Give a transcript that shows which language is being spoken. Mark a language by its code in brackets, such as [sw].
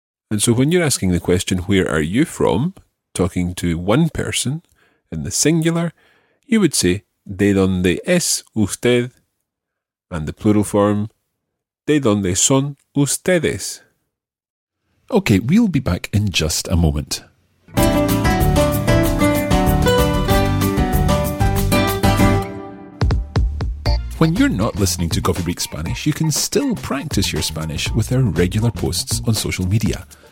[en] And so when you're asking the question, where are you from, talking to one person in the singular, you would say, [es] ¿De dónde es usted? [en] And the plural form, [es] ¿De dónde son ustedes? [en] Okay, we'll be back in just a moment. When you're not listening to Coffee Break Spanish, you can still practice your Spanish with our regular posts on social media.